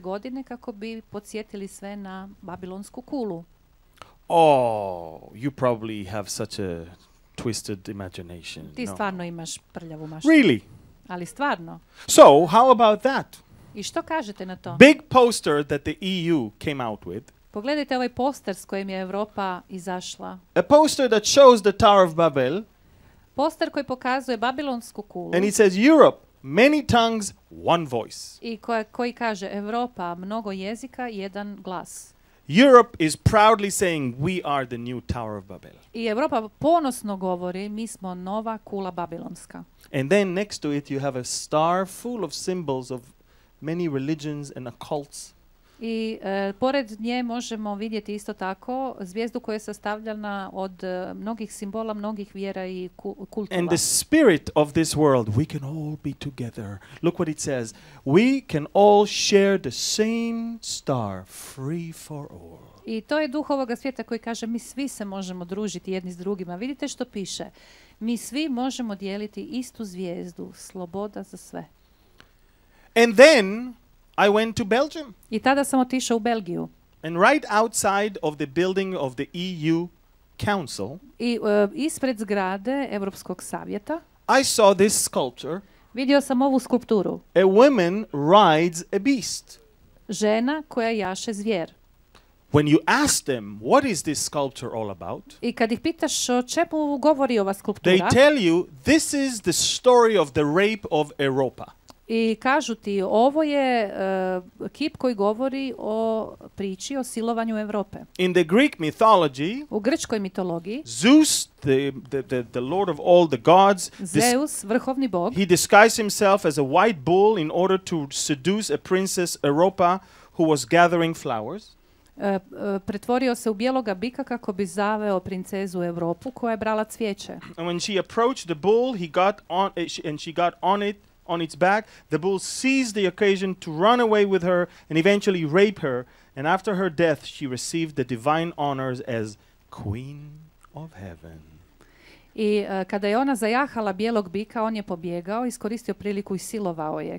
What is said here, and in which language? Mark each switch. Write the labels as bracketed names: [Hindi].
[Croatian] godine kako bi podsjetili sve na Babilonsku kulu. [English] Oh, you probably have such a twisted imagination. [Croatian] Ti stvarno imaš prljavu maštu. [English] Really? [Croatian] Ali stvarno. [English] So, how about that? [Croatian] I što kažete na to? [English] Big poster that the EU came out with. [Croatian] Pogledajte ovaj poster s kojim je Evropa izašla. [English] A poster that shows the Tower of Babel. [Croatian] Poster koji pokazuje Babilonsku kulu. [English] And it says Europe, many tongues, one voice. [Croatian] I koji kaže Evropa, mnogo jezika, jedan glas. [English] Europe is proudly saying we are the new Tower of Babel. [Croatian] I Evropa ponosno govori, mi smo nova kula babilonska. [English] And then next to it you have a star full of symbols of many religions and occults. [Croatian] I pored nje možemo vidjeti isto tako zvijezdu koja je sastavljena od mnogih simbola, mnogih vjera i kultova. [English] And the spirit of this world, we can all be together. Look what it says. We can all share the same star, free for all. [Croatian] I to je duh ovoga svijeta koji kaže mi svi se možemo družiti jedni s drugima. Vidite što piše. Mi svi možemo dijeliti istu zvijezdu, sloboda za sve. [English] And then I went to Belgium. [Croatian] I tada sam otišao u Belgiju. [English] And right outside of the building of the EU Council. [Croatian] I ispred zgrade Europskog savjeta. [English] I saw this sculpture. [Croatian] Vidio sam ovu skulpturu. [English] A woman rides a beast. [Croatian] Žena koja jaše zvijer. [English] When you ask them, what is this sculpture all about? [Croatian] I kad ih pitaš o čemu govori ova skulptura? [English] They tell you this is the story of the rape of Europa. [Croatian] I kažu ti, ovo je kip koji govori o priči o silovanju Europe. [English] In the Greek mythology, [Croatian] u grčkoj mitologiji, [English] Zeus, the lord of all the gods, [Croatian] Zeus, vrhovni bog, [English] he disguised himself as a white bull in order to seduce a princess Europa who was gathering flowers. [Croatian] Pretvorio se u bijeloga bika kako bi zaveo princezu Europu koja je brala cvijeće. [English] And when she approached the bull, he got on and she got on it. On its back, the bull seized the occasion to run away with her and eventually rape her. And after her death, she received the divine honors as Queen of Heaven. [Croatian] I kada je ona zajahala bijelog bika, on je pobjegao, iskoristio priliku i silovao je.